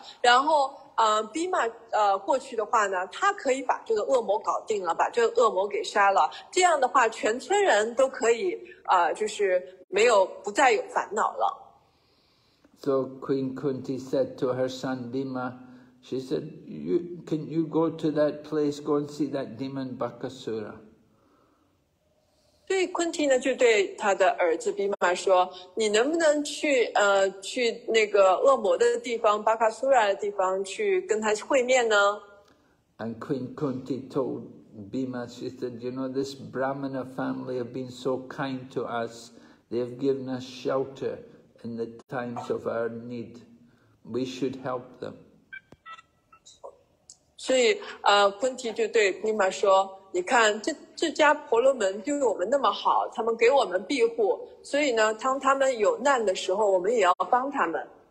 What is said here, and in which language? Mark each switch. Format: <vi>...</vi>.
<zh>然后Bhima 过去的话呢，他可以把这个恶魔搞定了，把这个恶魔给杀了。这样的话，全村人都可以就是没有不再有烦恼了。</zh> <en>So Queen Kunti said to her son Bhima, she said, can you go to that place, go and see that demon Bakasura?</en> <zh>对昆蒂呢就对他的儿子 Bhima 说你能不能去那个恶魔的地方 Bakasura 的地方去跟他会面呢</zh> <en>And Queen Kunti told Bhima, she said, you know, this Brahmana family have been so kind to us. They have given us shelter. In the times of our need, we should help them.</en> <zh>所以昆蒂就对 Bhima 说你看这家婆罗门对我们那么好他们给我们庇护所以呢当他们有难的时候我们也要帮他们。</zh>